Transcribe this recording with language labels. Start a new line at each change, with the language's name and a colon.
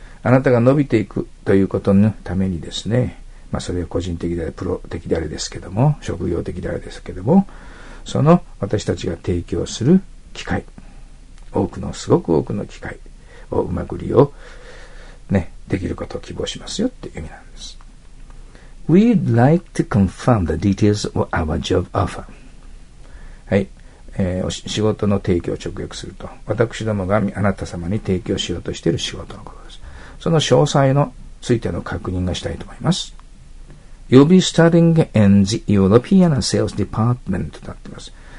Japanese: あなたが伸びていくということのためにですね。まあそれは個人的であれ、プロ的であれですけども、職業的であれですけども、その私たちが提供する機会、多くの、すごく多くの機会をうまく利用、ね、できることを希望しますよっていう意味なんです。
English: We'd like to confirm the details of our job offer.
Japanese: はい、仕事の提供を直訳すると、私どもがあなた様に提供しようとしている仕事のことです。その詳細のついての確認がしたいと思います。
English: You'll be studying in the European Sales Department
Japanese: となっています。